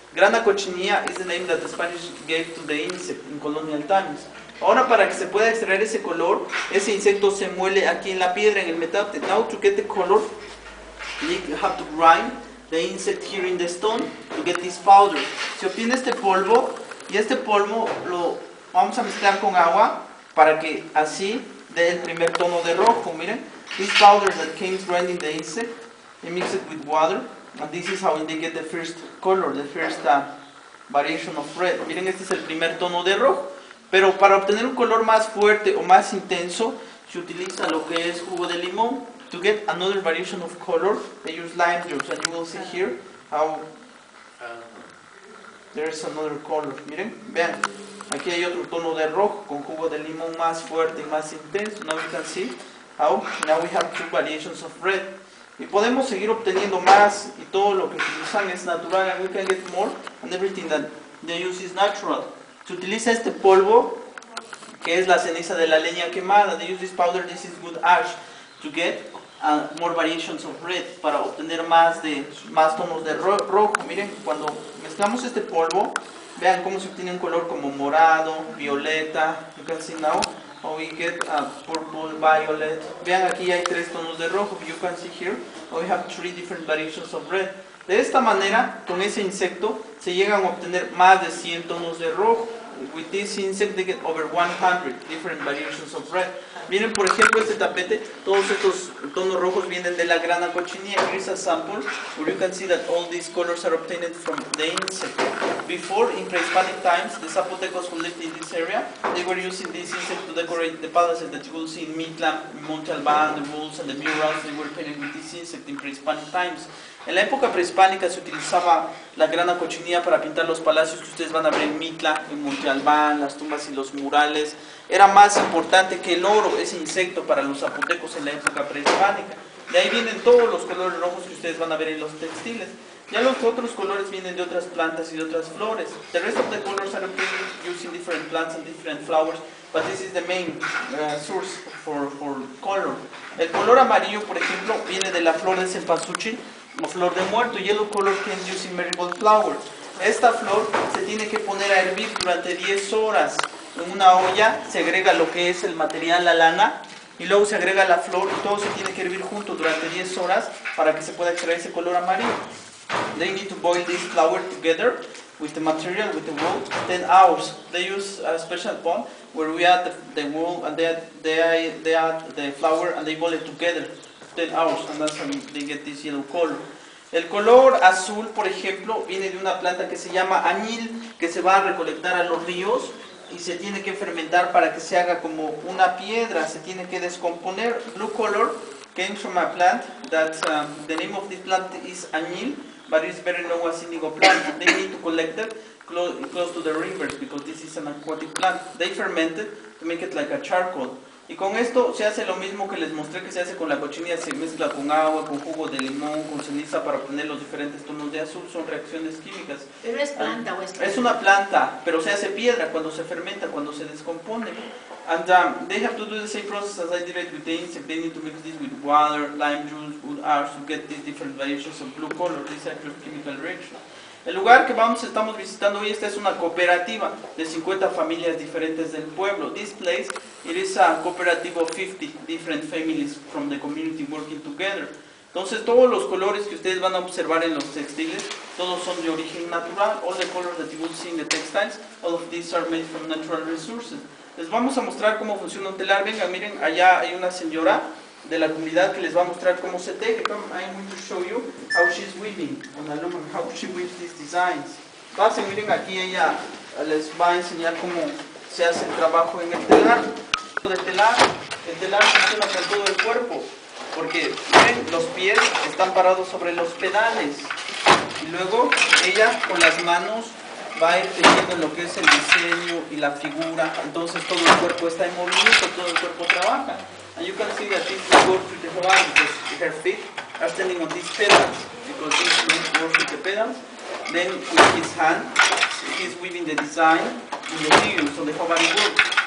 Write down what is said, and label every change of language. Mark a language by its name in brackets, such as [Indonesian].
[English] Grana cochinilla is the name that the Spanish gave to the insect in colonial times. [Spanish] Ahora, para que se pueda extraer ese color, ese insecto se muele aquí en la piedra, en el metate. [English] Now to get the color, you have to grind the insect here in the stone to get this powder. [Spanish] Se obtiene este polvo, y este polvo lo vamos a mezclar con agua para que así dé el primer tono de rojo. [English] Miren, this powder that came grinding the insect, they mix it with water, and this is how they get the first color, the first variation of red. [Spanish] Miren, este es el primer tono de rojo. Pero para obtener un color más fuerte o más intenso, se utiliza lo que es jugo de limón. [English] To get another variation of color, they use lime juice, and you will see here how there is another color. [Spanish] Miren, vean. Aquí hay otro tono de rojo con jugo de limón más fuerte y más intenso. [English] Now you can see how now we have 2 variations of red. [Spanish] Y podemos seguir obteniendo más y todo lo que se usan es natural. [English] And we can get more and everything that they use is natural. [Spanish] Se utiliza este polvo que es la ceniza de la leña quemada. [English] They use this powder, this is good ash to get more variations of red. [Spanish] Para obtener más tonos de rojo. Miren, cuando mezclamos este polvo, vean cómo se obtiene un color como morado, violeta. [English] You can see now how we get a purple, violet. [Spanish] Vean, aquí hay 3 tonos de rojo. [English] You can see here how we have 3 different variations of red. [Spanish] De esta manera, con ese insecto, se llegan a obtener más de 100 tonos de rojo. [English] With this insect, they get over 100 different variations of red. [Spanish] Miren, por ejemplo, este tapete. Todos estos tonos rojos vienen de la grana cochinilla. [English] Here's a sample where you can see that all these colors are obtained from the insect. Before, in prehispanic times, the Zapotecos who lived in this area, they were using this insect to decorate the palaces that you will see in Mitla, Montalban, the walls and the murals. They were painted with this insect in prehispanic times. [Spanish] En la época prehispánica se utilizaba la grana cochinilla para pintar los palacios que ustedes van a ver en Mitla, en Montalbán, las tumbas y los murales. Era más importante que el oro, ese insecto, para los zapotecos en la época prehispánica. De ahí vienen todos los colores rojos que ustedes van a ver en los textiles. Ya los otros colores vienen de otras plantas y de otras flores. [English] The rest of the colors are obtained using different plants and different flowers, but this is the main source for color. [Spanish] El color amarillo, por ejemplo, viene de la flor de cempasúchil, o flor de muerto. [English] Yellow color comes using marigold flower. [Spanish] Esta flor se tiene que poner a hervir durante 10 horas en una olla. Se agrega lo que es el material, la lana, y luego se agrega la flor. Todo se tiene que hervir junto durante 10 horas para que se pueda extraer ese color amarillo. [English] They need to boil this flower together with the material, with the wool, 10 hours. They use a special pot where we add the wool and they add the flower and they boil it together, 10 hours, and that's when they get this yellow color. [Spanish] El color azul, por ejemplo, viene de una planta que se llama añil, que se va a recolectar a los ríos y se tiene que fermentar para que se haga como una piedra, se tiene que descomponer. [English] Blue color came from a plant that the name of this plant is añil, but it's better known as indigo plant. They need to collect it close to the rivers because this is an aquatic plant. They ferment it to make it like a charcoal. [Spanish] Y con esto se hace lo mismo que les mostré que se hace con la cochinilla. Se mezcla con agua, con jugo de limón, con ceniza para obtener los diferentes tonos de azul. Son reacciones químicas. ¿Pero es planta o es piedra? Es una planta, pero se hace piedra cuando se fermenta, cuando se descompone. [English] And they have to do the same process as I did it with the insect. They need to mix this with water, lime juice, wood ash to get these different variations of blue color. This is a chemical reaction. [Spanish] El lugar que estamos visitando hoy, esta es una cooperativa de 50 familias diferentes del pueblo. [English] This place, it is a cooperative of 50 different families from the community working together. [Spanish] Entonces, todos los colores que ustedes van a observar en los textiles, todos son de origen natural. [English] All the colors that you will see in the textiles, all of these are made from natural resources. [Spanish] Les vamos a mostrar cómo funciona un telar. Venga, miren, allá hay una señora de la comunidad que les va a mostrar cómo se teje. [English] Come, I'm going to show you how she's weaving on a loom, how she weaves these designs. [Spanish] Pasen, miren, aquí ella les va a enseñar cómo se hace el trabajo en el telar. El telar funciona con todo el cuerpo, porque miren, los pies están parados sobre los pedales. Y luego ella con las manos va a ir teniendo lo que es el diseño y la figura. Entonces todo el cuerpo está en movimiento, todo el cuerpo trabaja. [English] And you can see that this will work with the whole arm because her feet are standing on these pedals, because this will work with the pedals. Then with his hand, he's weaving the design in the figure, so the whole body works.